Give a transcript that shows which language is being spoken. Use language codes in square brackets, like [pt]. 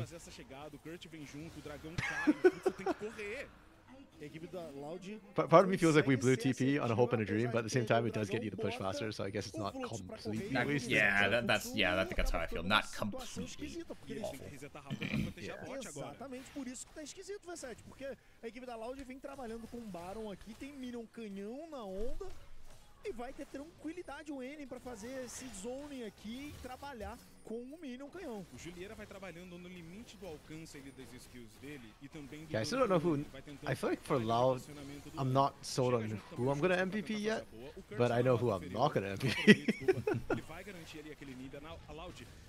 [pt] Fazer essa chegada, o Kurt vem junto, o dragão cai, o Loud... [en] Part of me feels like we blew TP on a hope and a dream, but at the same time it does get you to push faster, so I guess it's not completely... I think that's how I feel. Not completely [pt] Exatamente, por isso que tá esquisito, Vessete, porque a equipe da Loud vem trabalhando com o Baron aqui, tem Minion canhão na onda, e vai ter tranquilidade o Enem pra fazer esse zoning aqui e trabalhar com o Minion canhão. O Juliera vai trabalhando no limite do alcance ali das skills dele e também do... [en] Yeah, I still don't know who... I feel like for Loud, I'm not sold on who I'm gonna MVP yet, but I know who I'm not gonna MVP. [pt] Ele vai garantir ali aquele nida na Loud.